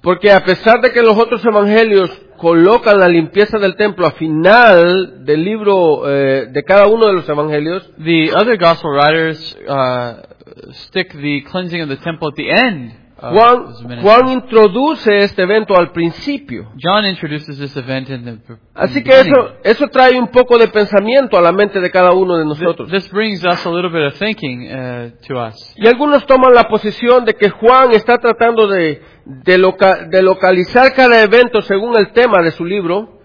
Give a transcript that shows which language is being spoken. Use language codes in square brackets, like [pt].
[es] Porque a pesar de que los otros evangelios colocan la limpieza del templo al final del libro de cada uno de los evangelios, [en] the other gospel writers stick the cleansing of the temple at the end. [es] Juan introduce este evento al principio. [en] John introduces this event in the [es] así que eso trae un poco de pensamiento a la mente de cada uno de nosotros. [en] This brings us a little bit of thinking to us. [es] Y algunos toman la posición de que Juan está tratando de localizar cada evento según el tema de su libro.